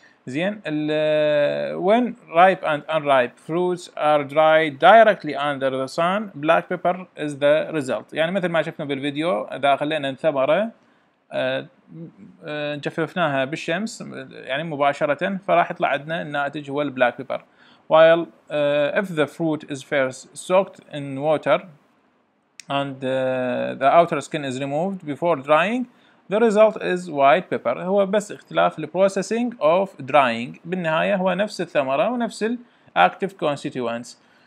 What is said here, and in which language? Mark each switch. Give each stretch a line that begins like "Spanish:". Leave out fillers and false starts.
English: زين، when ripe and unripe fruits are dried directly under the sun, black pepper is the result.
Arabic: يعني مثل ما شفنا بالفيديو، إذا خلينا الثمرة جففناها بالشمس يعني مباشرة، فراح يطلع عندنا الناتج هو
English: البلاك pepper. While if the fruit is first soaked in water and the outer skin is removed before drying, the result is white pepper.
Arabic: هو بس اختلاف
English: the processing of drying.
Arabic: بالنهاية هو نفس الثمرة ونفس ال
English: active constituents.